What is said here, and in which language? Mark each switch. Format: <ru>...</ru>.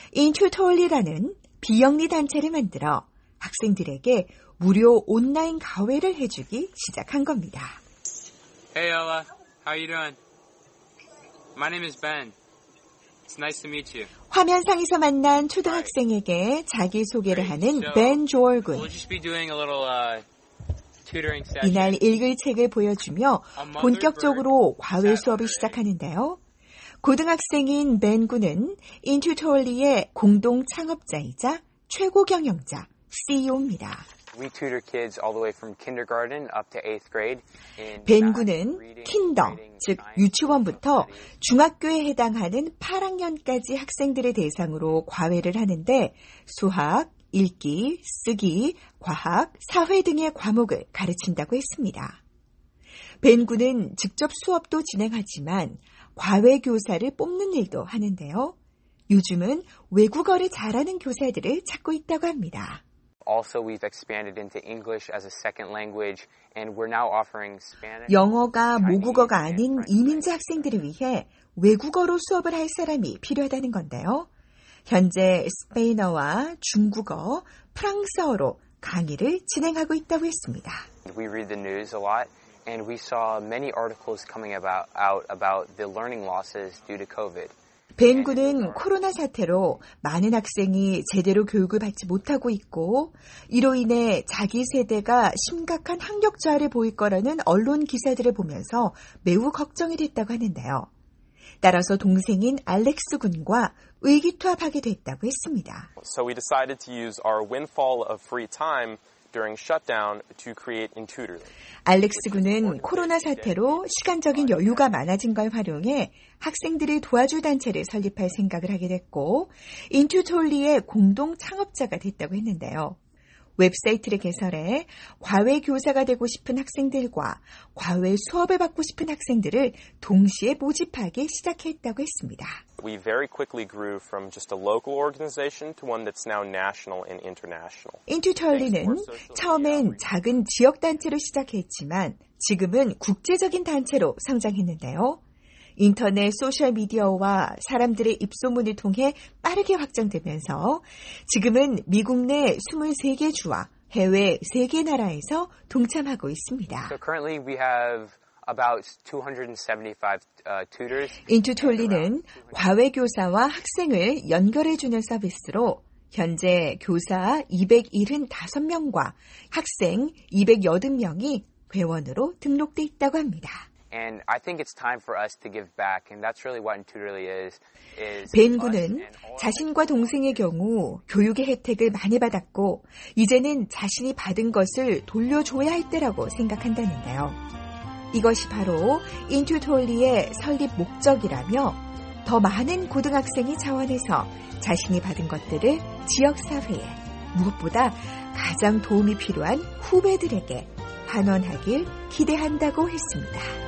<ko>인튜토얼리라는 비영리 단체를 만들어 학생들에게 무료 온라인 과외를 해주기 시작한 겁니다.</ko> <en>Hey Ella, how you doing? My name is Ben. It's nice to meet you.</en> <ko>화면상에서 만난 초등학생에게 자기소개를 하는 벤 조얼군.</ko> <en>We'll just be doing a little tutoring session.</en> <ko>이날 읽을 책을 보여주며 본격적으로 과외 수업을 시작하는데요. 고등학생인 벤 군은 인튜토얼리의 공동 창업자이자 최고 경영자, CEO입니다.</ko> <en>We tutor kids all the way from kindergarten up to eighth grade.</en> <ko>벤 군은 킨더, 즉 유치원부터 중학교에 해당하는 8학년까지 학생들을 대상으로 과외를 하는데 수학, 읽기, 쓰기, 과학, 사회 등의 과목을 가르친다고 했습니다. 벤 군은 직접 수업도 진행하지만 과외 교사를 뽑는 일도 하는데요. 요즘은 외국어를 잘하는 교사들을 찾고 있다고 합니다.</ko> <en>Also, we've expanded into English as a second language, and we're now offering Spanish.</en> <ko>영어가 모국어가 아닌 이민자 학생들을 위해 외국어로 수업을 할 사람이 필요하다는 건데요. 현재 스페인어와 중국어, 프랑스어로 강의를 진행하고 있다고 했습니다.</ko> <en>We read the news a lot. And we saw many articles coming out about the learning losses due to COVID.</en> <ko>벤 군은 코로나 사태로 많은 학생이 제대로 교육을 받지 못하고 있고 이로 인해 자기 세대가 심각한 학력 저하를 보일 거라는 언론 기사들을 보면서 매우 걱정이 됐다고 하는데요. 따라서 동생인 알렉스 군과 의기투합하게 됐다고 했습니다.</ko> <en>So we decided to use our windfall of free time during shutdown to create in tutoring.</en> <ko>알렉스 군은 코로나 사태로 시간적인 여유가 많아진 걸 활용해 학생들을 도와줄 단체를 설립할 생각을 하게 됐고 인튜토얼리의 공동 창업자가 됐다고 했는데요. 웹사이트를 개설해 과외 교사가 되고 싶은 학생들과 과외 수업을 받고 싶은 학생들을 동시에 모집하기 시작했다고 했습니다.</ko> <en>We very quickly grew from just a local organization to one that's now national and international.</en> <ko>인튜토얼리는 처음엔 작은 지역 단체로 시작했지만 지금은 국제적인 단체로 성장했는데요. 인터넷 소셜미디어와 사람들의 입소문을 통해 빠르게 확장되면서 지금은 미국 내 23개 주와 해외 3개 나라에서 동참하고 있습니다.</ko> <en>So currently we have about 275 tutors.</en> <ko>인튜토얼리는 과외 교사와 학생을 연결해주는 서비스로 현재 교사 275명과 학생 280명이 회원으로 등록돼 있다고 합니다.</ko> <en>And I think it's time for us to give back, and that's really what Tutorly is.</en> <ko>벤 군은 자신과 동생의 경우 교육의 혜택을 많이 받았고 이제는 자신이 받은 것을 돌려줘야 할 때라고 생각한다는데요. 이것이 바로 인튜토얼리의 설립 목적이라며 더 많은 고등학생이 자원해서 자신이 받은 것들을 지역 사회에 무엇보다 가장 도움이 필요한 후배들에게 환원하길 기대한다고 했습니다.</ko>